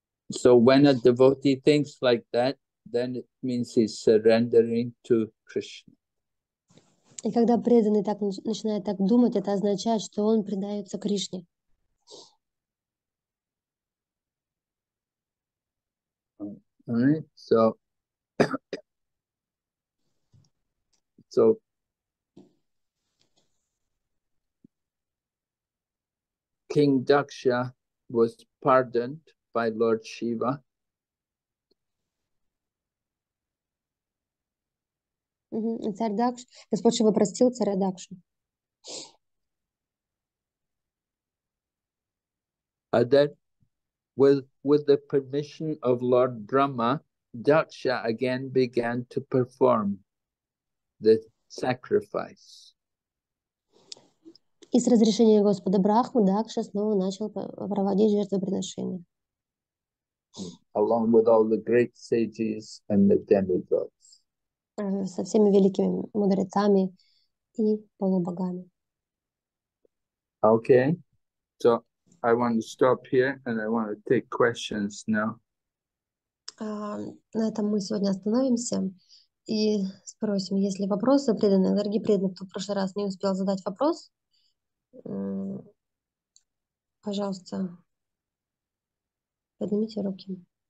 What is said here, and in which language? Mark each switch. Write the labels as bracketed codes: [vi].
[en] So when a devotee thinks like that, then it means he's surrendering to Krishna. [ru] И когда преданный так начинает так думать, это означает, что он предается Кришне. [en] All right, so King Daksha was pardoned by Lord Shiva. [ru] Царь Дакш, Господь Шива простил царя Дакшу. [en] And then with the permission of Lord Brahma, Daksha again began to perform the sacrifice. [ru] И с разрешения Господа Брахмы Дакша снова начал проводить жертвоприношения. [en] Along with all the great sages and the demigods. [ru] Со всеми великими мудрецами и полубогами. [en] Okay, so I want to stop here and I want to take questions now. [ru] На этом мы сегодня остановимся и спросим, есть ли вопросы преданные, дорогие преданные, кто в прошлый раз не успел задать вопрос, пожалуйста, поднимите руки.